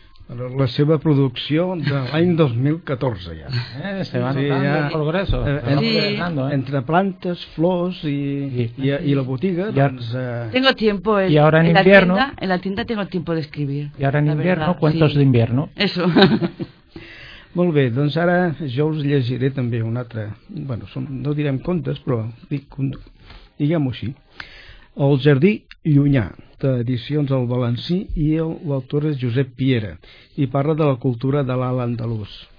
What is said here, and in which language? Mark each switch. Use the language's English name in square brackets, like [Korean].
[Catalan] La seva producció de l'any 2014, ja. [Spanish] Se va notant el progreso. [Catalan] Entre plantes, flors i la botiga, ya, doncs... [Spanish] Tengo tiempo y ahora en invierno, la tienda, en la tienda tengo tiempo de escribir. [Catalan] I ara [Spanish] en invierno, cuentos sí. D'invierno. Eso. [Catalan] Molt bé, doncs ara jo us llegiré també un altre... Bueno, no direm contes, però diguem-ho així. El jardí llunyà, d'Edicions al Balancí, i l'autor és Josep Piera, i parla de la cultura de l'Alt Andalús.